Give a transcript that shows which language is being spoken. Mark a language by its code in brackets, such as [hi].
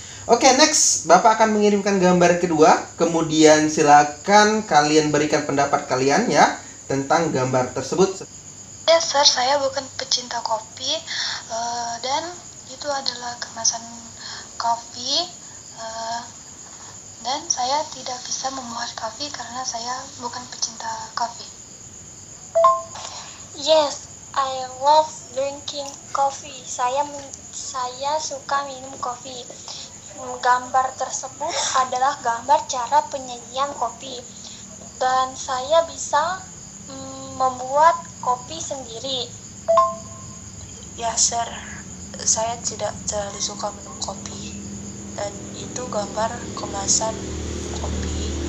[id] Oke, okay, next. Bapak akan mengirimkan gambar kedua. Kemudian silakan kalian berikan pendapat kalian ya tentang gambar tersebut. Ya, yes, sir. Saya bukan pecinta kopi. Dan itu adalah kemasan kopi. Dan saya tidak bisa memuat kopi karena saya bukan pecinta kopi. [en] Yes, I love drinking coffee. [id] Saya suka minum kopi. Gambar tersebut adalah gambar cara penyajian kopi. Dan saya bisa membuat kopi sendiri. Ya, sir. Saya tidak terlalu suka minum kopi. Dan itu gambar kemasan kopi.